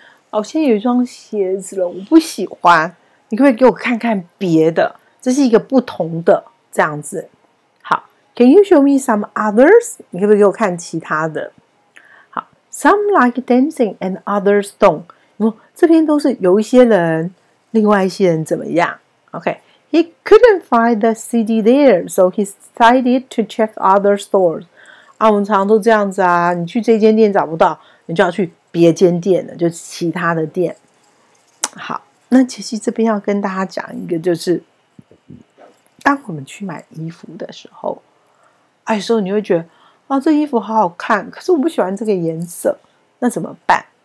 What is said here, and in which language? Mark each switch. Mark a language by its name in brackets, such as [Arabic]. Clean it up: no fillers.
[Chinese] 哦，现在有一双鞋子了，我不喜欢，你可不可以给我看看别的？这是一个不同的这样子。 [English] 好 ，Can you show me some others？ [Chinese] 你可不可以给我看其他的？ [English] 好 ，Some like dancing and others don't。 [Chinese] 哦，这边都是有一些人，另外一些人怎么样 ？OK。 [English] He couldn't find the CD there, so he decided to check other stores. [Chinese] 啊，我们常常都这样子啊，你去这间店找不到，你就要去别间店了，就其他的店。好，那其实这边要跟大家讲一个，就是当我们去买衣服的时候，哎，有时候你会觉得啊，这衣服好好看，可是我不喜欢这个颜色，那怎么办？